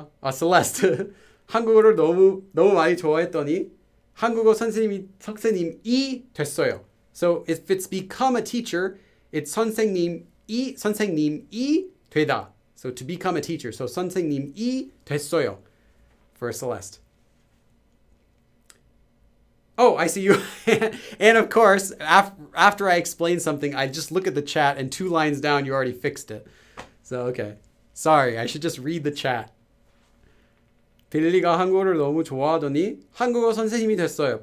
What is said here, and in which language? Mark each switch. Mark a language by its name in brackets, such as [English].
[Korean] 셀레스트. 한국어를 너무 많이 좋아했더니 한국어 선생님이 됐어요. [English] So if it's become a teacher, it's [Korean] 선생님이 되다. [English] So to become a teacher. So [Korean] 선생님이 됐어요 [English] for Celeste. Oh, I see you. And of course, after I explain something, I just look at the chat and 2 lines down, you already fixed it. So, okay. Sorry, I should just read the chat. [Korean] 빌리가 한국어를 너무 좋아하더니 한국어 선생님이 됐어요.